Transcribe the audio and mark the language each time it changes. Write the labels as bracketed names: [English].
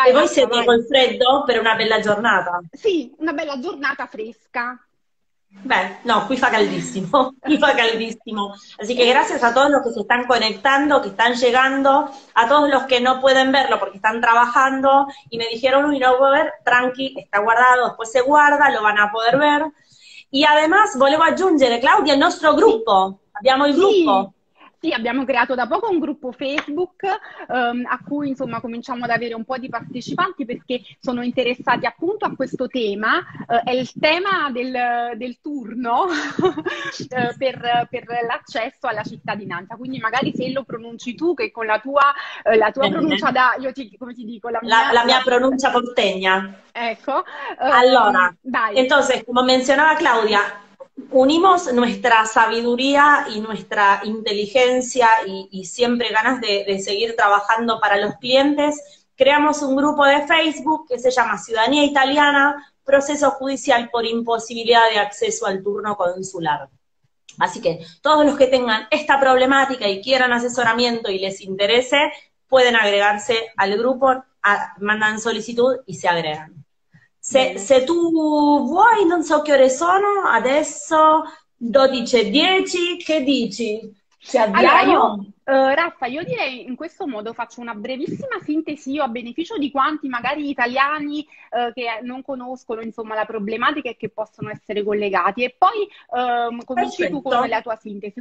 [Italian] e voi siete col freddo per una bella giornata? Sì, una bella giornata fresca. Beh, no, qui fa caldissimo. [Spanish] Así que gracias a todos los que se están conectando, que están llegando, a todos los que no pueden verlo porque están trabajando y me dijeron, uy, no puedo ver, tranqui, está guardado, después se guarda, lo van a poder ver. Y además, [Italian] volevo aggiungere, [Spanish] Claudia, el nuestro grupo, abbiamo el grupo. [Italian] Sì, abbiamo creato da poco un gruppo Facebook a cui insomma cominciamo ad avere un po' di partecipanti perché sono interessati appunto a questo tema, è il tema del turno per l'accesso alla cittadinanza, quindi magari se lo pronunci tu che con la tua pronuncia da, io ti, come ti dico, la mia pronuncia portegna. Ecco. Allora, vai. [Spanish] Entonces, [Italian] come menzionava [Spanish] Claudia, unimos nuestra sabiduría y nuestra inteligencia y siempre ganas de seguir trabajando para los clientes. Creamos un grupo de Facebook que se llama Ciudadanía Italiana, Proceso Judicial por Imposibilidad de Acceso al Turno Consular. Así que todos los que tengan esta problemática y quieran asesoramiento y les interese, pueden agregarse al grupo, mandan solicitud y se agregan. [Italian] Se tu vuoi, non so che ore sono, adesso 12:10, che dici? Ci abbiamo? Allora io, Raffa, io direi in questo modo faccio una brevissima sintesi, io a beneficio di quanti magari italiani che non conoscono insomma la problematica e che possono essere collegati, e poi cominci tu con la tua sintesi.